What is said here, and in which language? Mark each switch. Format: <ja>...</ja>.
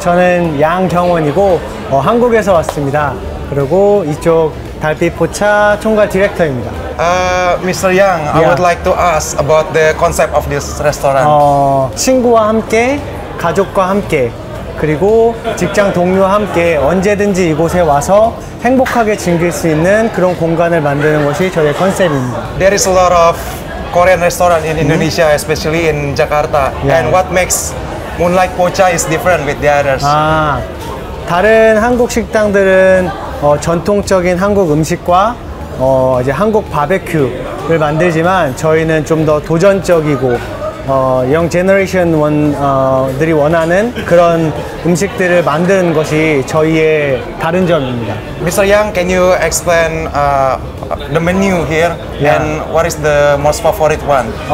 <ko>저는 양경원이고 한국에서 왔습니다. 그리고 이쪽 달빛 포차 총괄 디렉터입니다.</ko> <en>Mr. Yang, yeah. I would like to ask about the concept of this restaurant.</en> <ko>친구와 함께, 가족과 함께, 그리고 직장 동료와 함께 언제든지 이곳에 와서 행복하게 즐길 수 있는 그런 공간을 만드는 것이 저희의 컨셉입니다.</ko> <en>There is a lot of Korean restaurant in Indonesia, especially in Jakarta. Yeah. And what makes Moonlight Pocha is different with the others?</en> <ko>다른 한국 식당들은 전통적인 한국 음식과 이제 한국 바베큐를 만들지만 저희는 좀 더 도전적이고</ko> <en>young generation</en> <ko>원들이 원하는 그런 음식들을 만드는 것이 저희의 다른 점입니다.</ko> <en>Mr. Yang, can you explain the menu here yeah. and what is the most favorite one?</en>